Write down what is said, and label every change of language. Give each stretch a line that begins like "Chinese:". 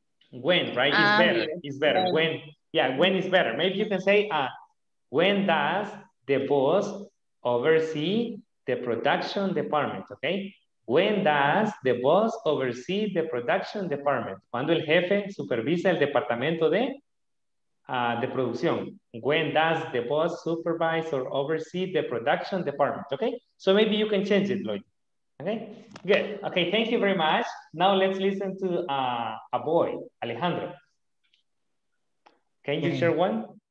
English: When, right? It's better. Yes. It's better. When. Yeah, when is better. Maybe you can say, when does the boss oversee the production department, okay? When does the boss oversee the production department?
Spanish: Cuando el jefe supervisa el departamento de producción.
English: When does the boss supervise or oversee the production department, okay? So maybe you can change it, Lloyd. Okay, good. Okay, thank you very much. Now let's listen to a boy, Alejandro. Can you share one?